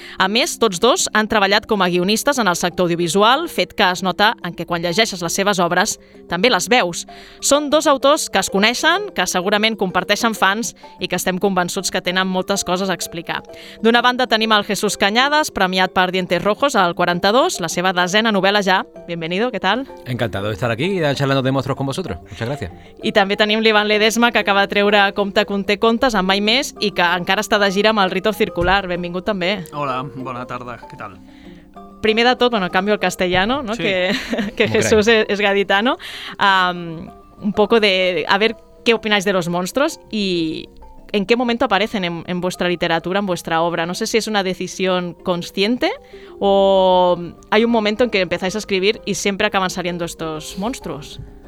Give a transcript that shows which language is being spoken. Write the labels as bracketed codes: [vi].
[ca] A més, tots dos han treballat com a guionistes en el sector audiovisual, fet que es nota en que quan llegeixes les seves obres, també les veus. Són dos autors que es coneixen, que segurament comparteixen fans i que estem convençuts que tenen moltes coses a explicar. D'una banda tenim el Jesús Canyades, premiat per Dientes Rojos al 42, la seva desena novel·la ja. [es] Bienvenido, ¿qué tal? Encantado de estar aquí y charlando de monstruos con vosotros. Muchas gracias. [ca] I també tenim l'Ivan Ledesma, que acaba de treure Compte, Conté, Contes amb Mai Més i que encara està de gira amb el Rito Circular. Benvingut també. Hola, bona tarda, què tal? [es] Primer de tot, bueno, cambio el castellano, ¿no? Sí. Que Jesús es gaditano. Un poco de... A ver, ¿qué opináis de los monstruos? ¿Y en qué momento aparecen en vuestra literatura, en vuestra obra? No sé si es una decisión consciente o hay un momento en que empezáis a escribir y siempre acaban saliendo estos monstruos.